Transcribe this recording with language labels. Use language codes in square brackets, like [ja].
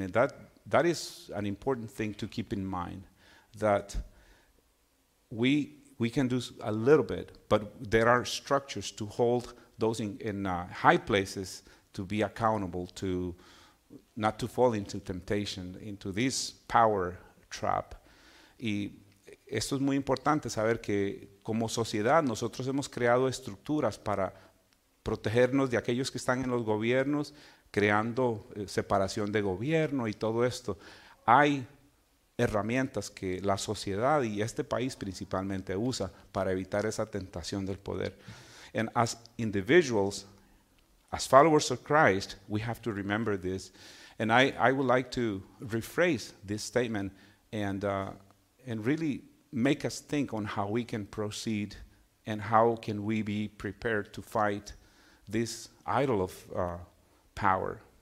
[en] And that is an important thing to keep in mind, that we can do a little bit, but there are structures to hold those in high places to be accountable, to not to fall into temptation, into this power trap. [es] Y esto es muy importante, saber que como sociedad nosotros hemos creado estructuras para protegernos de aquellos que están en los gobiernos, creando separación de gobierno y todo esto. Hay herramientas que la sociedad y este país principalmente usa para evitar esa tentación del poder. [en] And as individuals, as followers of Christ, we have to remember this. And I would like to rephrase this statement and really make us think on how we can proceed and how can we be prepared to fight this idol of power.